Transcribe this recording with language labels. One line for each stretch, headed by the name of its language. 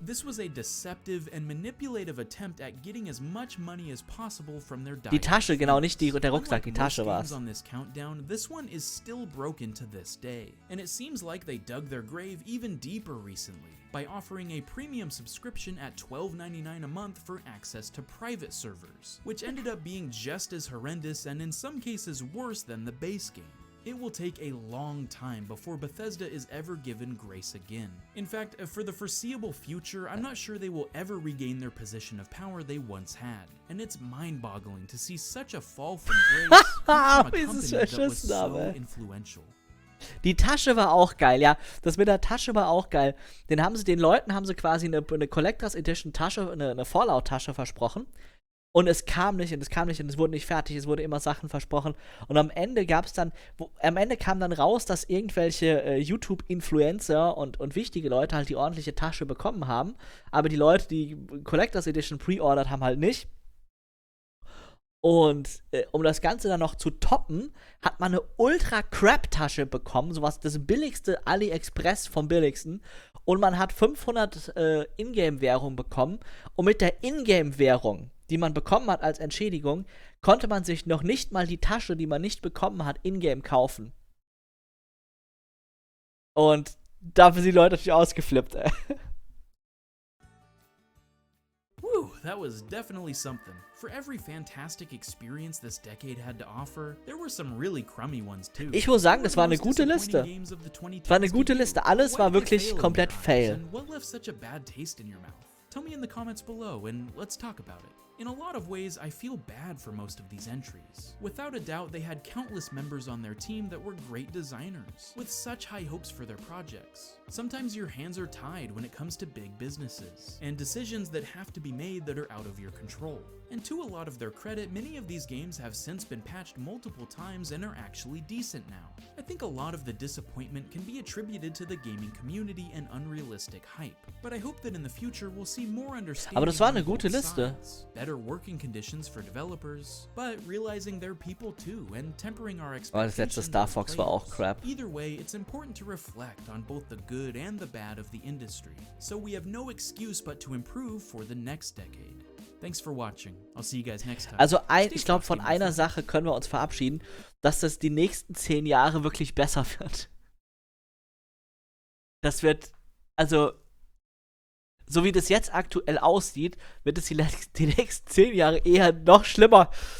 English: This was a deceptive and manipulative attempt at getting as much money as possible from their
German: die Tasche, genau, nicht der Rucksack, die Tasche war's.
English: On this countdown, this one is still broken to this day. And it seems like they dug their grave even deeper recently by offering a premium subscription at $12.99 a month for access to private servers, which ended up being just as horrendous and in some cases worse than the base game. It will take a long time before Bethesda is ever given grace again. In fact, for the foreseeable future, I'm not sure they will ever regain their position of power they once had. And it's mind-boggling to see such a fall from grace from a company that was so influential.
German: Die Tasche war auch geil, ja. Das mit der Tasche war auch geil. Den haben sie, den Leuten haben sie quasi eine Collector's Edition Tasche, eine Fallout-Tasche versprochen. Und es kam nicht und es kam nicht und es wurde nicht fertig. Es wurde immer Sachen versprochen. Und am Ende gab es dann, am Ende kam dann raus, dass irgendwelche YouTube-Influencer und wichtige Leute halt die ordentliche Tasche bekommen haben. Aber die Leute, die Collector's Edition pre-ordert haben, halt nicht. Und um das Ganze dann noch zu toppen, hat man eine Ultra-Crap-Tasche bekommen, sowas, das billigste AliExpress vom billigsten, und man hat 500 Ingame-Währung bekommen, und mit der Ingame-Währung, die man bekommen hat als Entschädigung, konnte man sich noch nicht mal die Tasche, die man nicht bekommen hat, Ingame kaufen. Und dafür sind die Leute natürlich ausgeflippt, ey.
English: Woo, that was definitely something. For every fantastic experience this decade had to offer, there were some really crummy ones too.
German: Ich muss sagen, das war eine gute Liste. Alles war wirklich komplett fail.
English: What left such a bad taste in your mouth? Tell me in the comments below and let's talk about it. In a lot of ways, I feel bad for most of these entries. Without a doubt, they had countless members on their team that were great designers, with such high hopes for their projects. Sometimes your hands are tied when it comes to big businesses, and decisions that have to be made that are out of your control. And to a lot of their credit, many of these games have since been patched multiple times and are actually decent now. I think a lot of the disappointment can be attributed to the gaming community and unrealistic hype. But I hope that in the future we'll see more understanding.
German: Aber das war eine gute Liste.
English: Better working conditions for developers, but realizing they're people too and tempering our expectations.
German: Oh, das letzte Star Fox war auch crap.
English: Either way, it's important to reflect on both the good and the bad of the industry, so we have no excuse but to improve for the next decade. Thanks for watching. I'll see you guys next time.
German: Also ich glaube, von einer Sache können wir uns verabschieden, dass das die nächsten 10 Jahre wirklich besser wird. Das wird, also, so wie das jetzt aktuell aussieht, wird es die nächsten 10 Jahre eher noch schlimmer.